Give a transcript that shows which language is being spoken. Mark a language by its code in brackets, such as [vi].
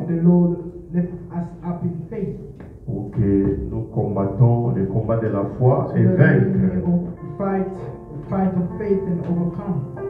[en] May the Lord lift us up in faith. [fr] Pour que nous combattons le combat de la foi et vaincre. [en] We will fight the fight of faith and overcome.